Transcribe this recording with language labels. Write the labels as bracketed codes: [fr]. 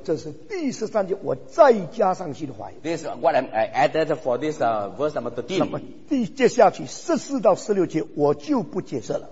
[zh] 这是第十三节我再加上去的话语。 [en] This is what I added for this verse number 13. [zh] 那么第接下去14到16节我就不解释了。